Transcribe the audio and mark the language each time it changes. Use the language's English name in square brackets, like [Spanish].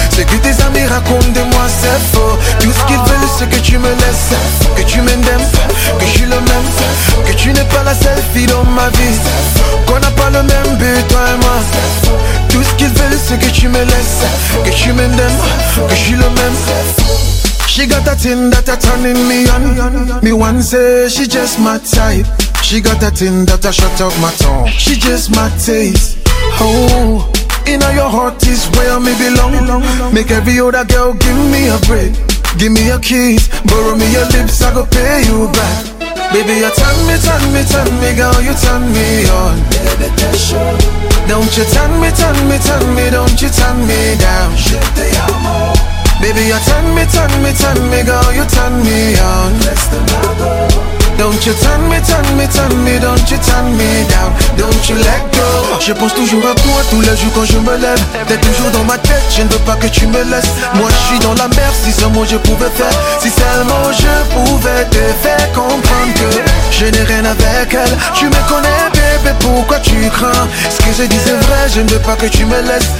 [French] Ce que tes amis racontent de moi c'est faux. Tout ce qu'ils veulent c'est que tu me laisses. Que tu m'aimes, que je suis le même. Que tu n'es pas la seule fille dans ma vie. Qu'on n'a pas le même but toi et moi. Tout ce qu'ils veulent c'est que tu me laisses. Que tu m'aimes, que je suis le même. [English] She got that thing that a turning me on. Me one say she just my type. She got that thing that a shut up my tongue. She just my taste. Oh, in all your heart is where me belong. Make every other girl give me a break. Give me a kiss, borrow me your lips, I go pay you back. Baby, you turn me, girl, you turn me on. Don't you turn me, don't you turn me down. Baby, you turn me, girl, you turn me on. Don't you turn me, don't you turn me down. Don't you let go. [French] Je pense toujours à toi, tous les jours quand je me lève. T'es toujours dans ma tête, je ne veux pas que tu me laisses. Moi je suis dans la mer, si seulement je pouvais faire. Si seulement je pouvais te faire comprendre que je n'ai rien avec elle. Tu me connais bébé, pourquoi tu crains? Ce que je dis c'est vrai, je ne veux pas que tu me laisses.